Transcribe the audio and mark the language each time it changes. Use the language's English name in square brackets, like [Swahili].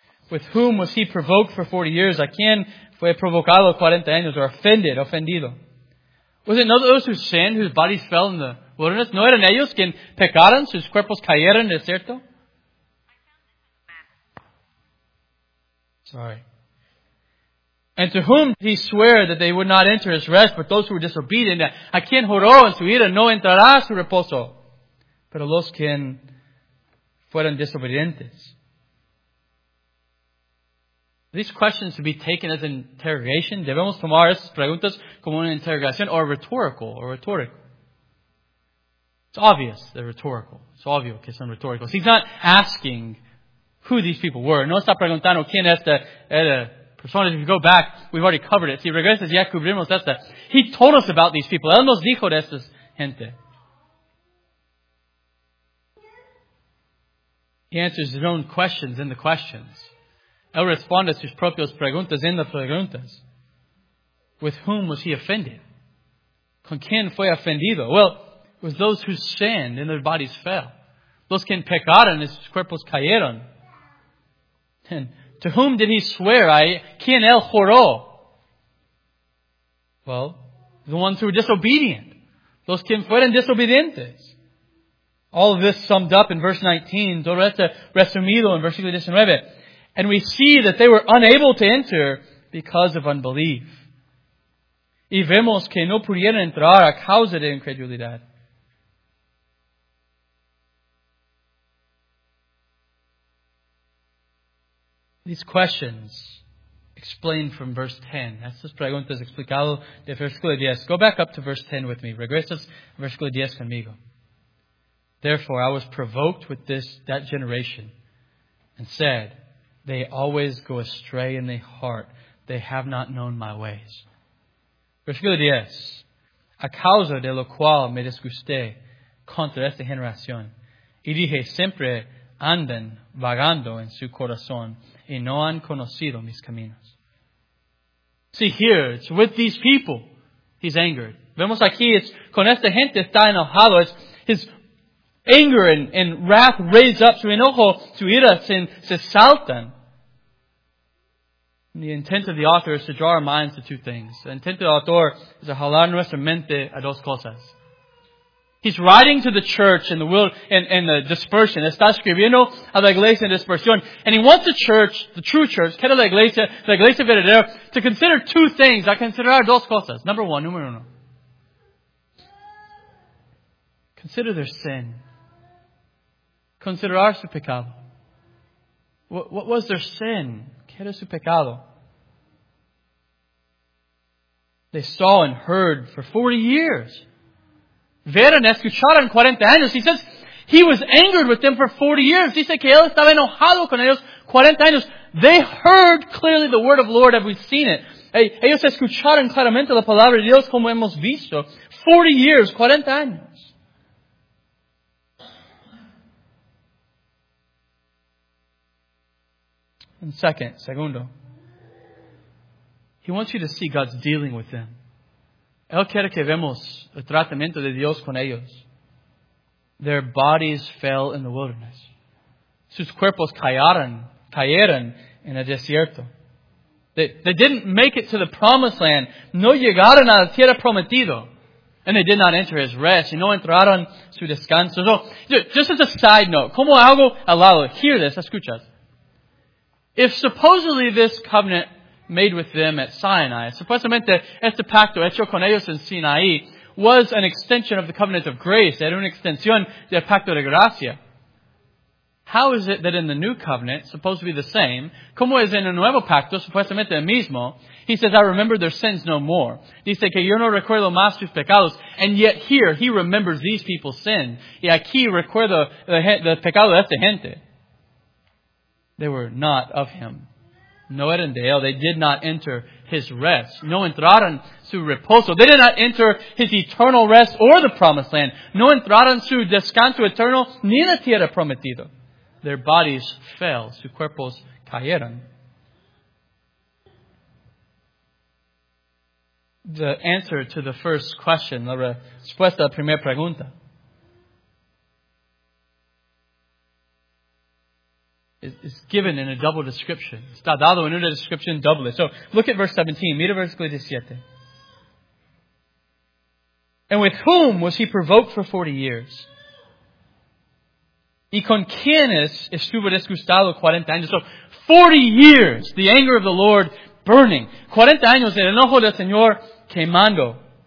[English] With whom was he provoked for 40 years? [Spanish] ¿A quién fue provocado 40 años? [English] Or offended, [Spanish] ofendido. [English] Was it not those who sinned, whose bodies fell in the wilderness? [Spanish] ¿No eran ellos quien pecaron, sus cuerpos cayeron en el desierto? [English] Sorry. And to whom did he swear that they would not enter his rest, but those who were disobedient? [Spanish] ¿A quién juró en su ira, no entrará a su reposo? Pero los quien fueron desobedientes. [English] These questions to be taken as an interrogation. [Spanish] Debemos tomar estas preguntas como una interrogación [English] or rhetorical. It's obvious they're rhetorical. It's obvious [Spanish] que son [English] rhetorical. He's not asking who these people were. [Spanish] No está preguntando quién esta era persona. [English] If you go back, we've already covered it. [Spanish] Si regresas, ya cubrimos esta. [English] He told us about these people. [Spanish] Él nos dijo de estas gente. [English] He answers his own questions in the questions. [Spanish] Él responde a sus propias preguntas en las preguntas. [English] With whom was he offended? [Spanish] ¿Con quién fue ofendido? [English] Well, it was those who sinned and their bodies fell. [Spanish] Los que pecaron y sus cuerpos cayeron. [English] And to whom did he swear? [Spanish] ¿Quién él juró? [English] Well, the ones who were disobedient. [Spanish] Los que fueron desobedientes. [English] All of this summed up in verse 19. [Spanish] Todo esto resumido en versículo 19. [English] And we see that they were unable to enter because of unbelief. [Spanish] Y vemos que no pudieron entrar a causa de incredulidad. [English] These questions explained from verse 10. [Spanish] Estas preguntas explicado de versículo 10. [English] Go back up to verse 10 with me. [Spanish] Regresas versículo 10 conmigo. [English] Therefore, I was provoked with that generation and said, they always go astray in their heart. They have not known my ways. [Spanish] Versículo 10. A causa de lo cual me disgusté contra esta generación. Y dije, siempre andan vagando en su corazón y no han conocido mis caminos. [English] See here, it's with these people he's angered. [Spanish] Vemos aquí, es con esta gente está enojado. [English] It's his anger and wrath raised up, [Spanish] su enojo, su ira se saltan. [English] The intent of the author is to draw our minds to two things. The intent of the author is to [Spanish] jalar nuestra mente a dos cosas. [English] He's writing to the church in the world and the dispersion. [Spanish] Está escribiendo a la iglesia en dispersión. [English] And he wants the church, the true church, [Spanish] que era la iglesia verdadera, [English] to consider two things, [Spanish] a considerar dos cosas. [English] Number one, [Spanish] número uno. [English] Consider their sin. [Spanish] Considerar su pecado. [English] What was their sin? [Spanish] ¿Qué era su pecado? [English] They saw and heard for 40 years. [Spanish] Vieron, escucharon 40 años. [English] He says he was angered with them for 40 years. [Spanish] Dice que él estaba enojado con ellos 40 años. [English] They heard clearly the word of the Lord. Have we seen it? [Spanish] Ellos escucharon claramente la palabra de Dios como hemos visto. [English] 40 years, [Spanish] 40 años. [English] And [Spanish] segundo, [English] he wants you to see God's dealing with them. [Spanish] Él quiere que vemos el tratamiento de Dios con ellos. [English] Their bodies fell in the wilderness. [Spanish] Sus cuerpos cayeron en el desierto. [English] They didn't make it to the promised land. [Spanish] No llegaron a la tierra prometida. [English] And they did not enter his rest. [Spanish] Y no entraron su descanso. [English] So, just as a side note, [Spanish] como algo al lado, [English] hear this, [Spanish] escuchas. [English] If supposedly this covenant made with them at Sinai, [Spanish] supuestamente este pacto hecho con ellos en Sinai, [English] was an extension of the covenant of grace, [Spanish] era una extensión del pacto de gracia, [English] how is it that in the new covenant, supposed to be the same, [Spanish] como es en el nuevo pacto, supuestamente el mismo, [English] he says, I remember their sins no more. [Spanish] Dice que yo no recuerdo más sus pecados. [English] And yet here, he remembers these people's sin. [Spanish] Y aquí recuerdo el pecado de esta gente. [English] They were not of him. [Spanish] No eran de él. [English] They did not enter his rest. [Spanish] No entraron su reposo. [English] They did not enter his eternal rest or the promised land. [Spanish] No entraron su descanso eterno ni la tierra prometida. [English] Their bodies fell. [Spanish] Su cuerpos cayeron. [English] The answer to the first question, [Spanish] la respuesta a la primera pregunta, [English] it's given in a double description. [Spanish] Está dado en una descripción doble. [English] So, look at verse 17. [Spanish] Mira versículo 17. [English] And with whom was he provoked for 40 years? [Spanish] Y con quienes estuvo disgustado 40 años. [English] So, 40 years, the anger of the Lord burning. [Spanish] 40 años, el enojo del Señor quemando.